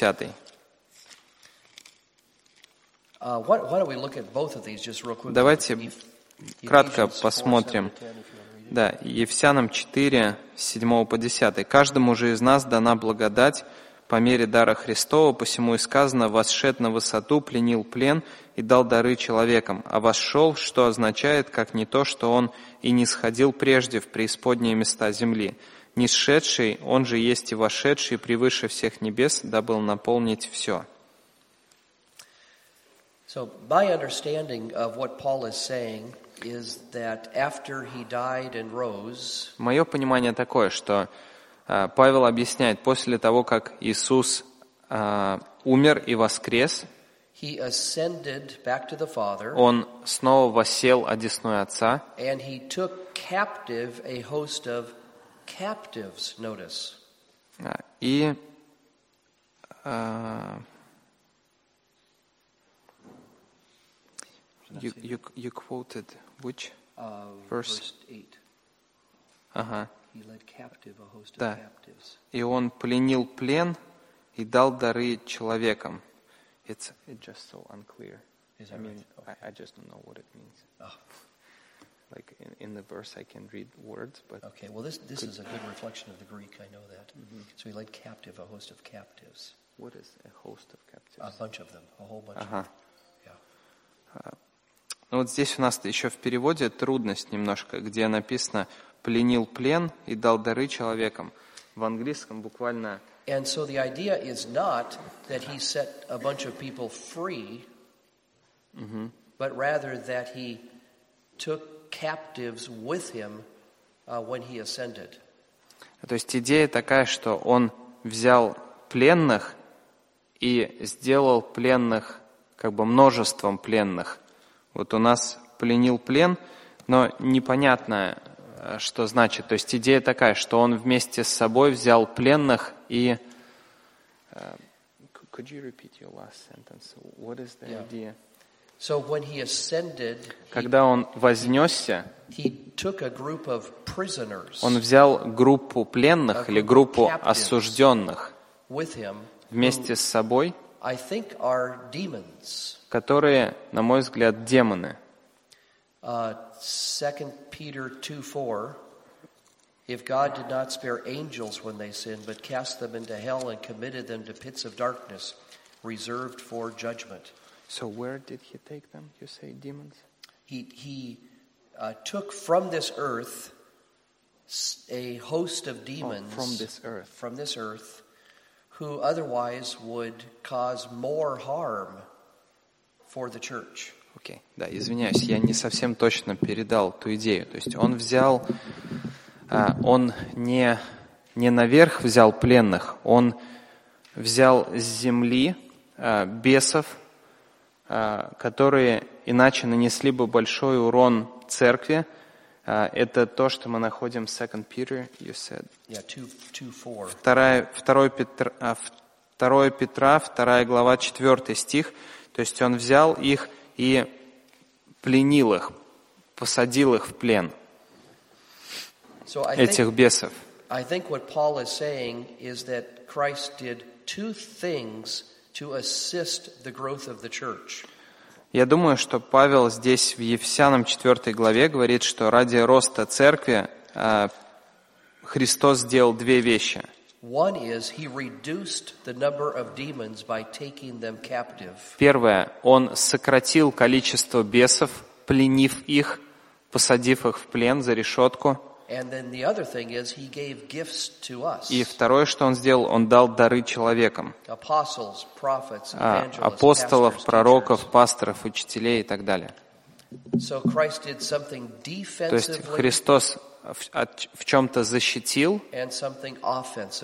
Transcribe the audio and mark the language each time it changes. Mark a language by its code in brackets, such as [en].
[en] Why don't we look at both of these just real quick? [ru] Давайте кратко посмотрим. Да, Ефесянам 4, 7 по 10. «Каждому же из нас дана благодать по мере дара Христова, посему и сказано, восшед на высоту, пленил плен и дал дары человекам, а восшел, что означает, как не то, что он и не сходил прежде в преисподние места земли. Нисшедший, он же есть и вошедший превыше всех небес, дабы наполнить все». [en] So my understanding of what Paul is saying is that after he died and rose. [ru] Мое понимание такое, что Павел объясняет, после того как Иисус умер и воскрес, [en] he ascended back to the Father. [ru] Он снова воссел одесную Отца. [en] And he took captive a host of captives. Notice. И You quoted which verse 8. [ru] Ага. [en] He led captive a host of captives. [ru] И он пленил плен и дал дары человекам. [en] It's just so unclear. Is I mean, right? Okay. I just don't know what it means. Like in the verse, I can read words, but okay. Well, this is a good reflection of the Greek. I know that. Mm-hmm. So he led captive a host of captives. What is a host of captives? A bunch of them. A whole bunch. [ru] Ага. [en] Yeah. [ru] Ну вот здесь у нас еще в переводе трудность немножко, где написано «пленил плен и дал дары человекам». В английском буквально... [en] And so the idea is not that he set a bunch of people free, but rather that he took captives with him when he ascended. [ru] То есть идея такая, что он взял пленных и сделал пленных как бы множеством пленных. Вот у нас пленил плен, но непонятно, что значит. То есть идея такая, что он вместе с собой взял пленных и... [en] Could you repeat your last sentence? What is the idea? So when he ascended, [ru] когда он вознесся, [en] he took a group of prisoners, [ru] он взял группу пленных или группу осужденных вместе с собой, [en] I think are demons, [ru] которые, на мой взгляд, демоны. [en] 2 Peter 2:4. If God did not spare angels when they sinned, but cast them into hell and committed them to pits of darkness, reserved for judgment. So where did he take them? You say demons? He took from this earth a host of demons. Oh, from this earth. From this earth, who otherwise would cause more harm for the church. Okay. [ru] Да, извиняюсь, я не совсем точно передал ту идею. То есть он взял... Он не наверх взял пленных, он взял с земли бесов, которые иначе нанесли бы большой урон церкви. Это то, что мы находим в 2 Peter, [en] you said. Yeah, 2:4. [ru] 2 Петра, 2 глава, 4 стих. То есть он взял их и пленил их, посадил их в плен. Этих бесов. [en] I think what Paul is saying is that Christ did two things to assist the growth of the church. [ru] Я думаю, что Павел здесь в Ефесянам 4 главе говорит, что ради роста церкви Христос сделал две вещи. [en] One is he reduced the number of demons by taking them captive. [ru] Первое, он сократил количество бесов, пленив их, посадив их в плен за решетку. [en] And then the other thing is he gave gifts to us. [ru] И второе, что он сделал, он дал дары человекам. [en] Apostles, prophets, [ru] evangelists, апостолов, пророков, пасторов, учителей и так далее. [en] So Christ did something defensively. [ru] То есть Христос в чем-то защитил [en] and something offensively.